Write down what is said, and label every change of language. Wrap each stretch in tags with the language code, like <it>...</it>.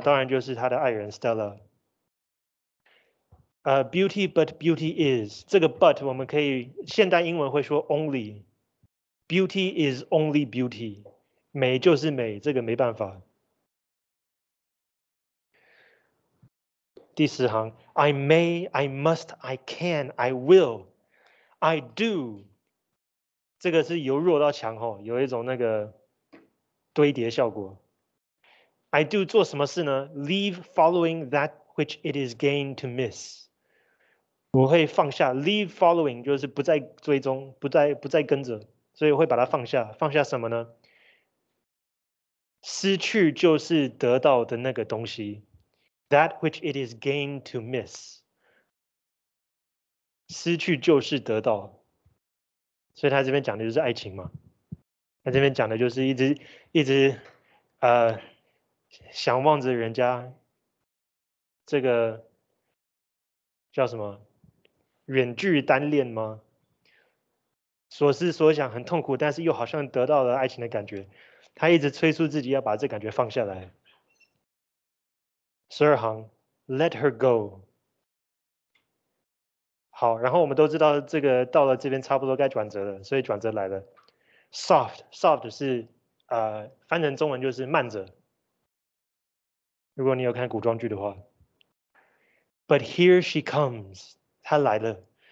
<zh>当然就是她的爱人 Stella。</zh> <en>Beauty but beauty is，</en> <zh>这个 but 我们可以现代英文会说 only，</zh> <en>beauty is only beauty，</en> <zh>美就是美，这个没办法。第十行</zh> <en>I may, I must, I can, I will, I do，</en> <zh>这个是由弱到强，有一种那个堆叠效果。 I do 做什么事呢？</zh> <en>Leave following that which it is gain to miss，</en> <zh>我会放下。</zh> <en>Leave following</en> <zh>就是不再追踪，不再跟着，所以我会把它放下。放下什么呢？失去就是得到的那个东西。</zh> <en>That which it is gained to miss，</en> <zh>失去就是得到，所以他这边讲的就是爱情嘛。他这边讲的就是一直想望着人家，这个叫什么远距单恋吗？所思所想很痛苦，但是又好像得到了爱情的感觉。他一直催促自己要把这感觉放下来。十二行</zh> <en>，Let her go。</en> <zh>好，然后我们都知道这个到了这边差不多该转折了，所以转折来了。 Soft 是翻成中文就是慢着。如果你有看古装剧的话 ，</zh> <en>But here she comes，</en> <zh>她来了。</zh>